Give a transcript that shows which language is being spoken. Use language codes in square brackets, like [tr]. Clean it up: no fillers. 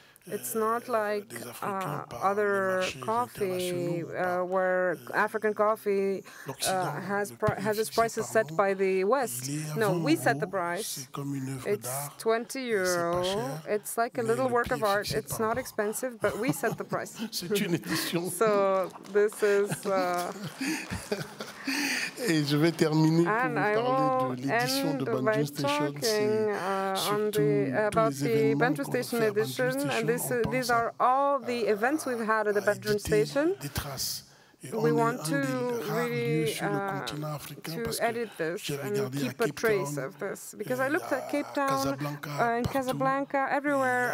[en] It's not like other coffee where African coffee has its prices set by the West. No, we set the price. It's 20 euro. It's like a little work of art. It's not expensive, but we set the price. So this is... [fr] Et je vais terminer pour vous parler de l'édition de Banjul Station. [en] About the Banjul Station edition, and these are all the events we've had at the Banjul Station. [fr] Des traces. [en] We want to really to edit this and keep a trace of this. Because I looked at Cape Town, in Casablanca, everywhere.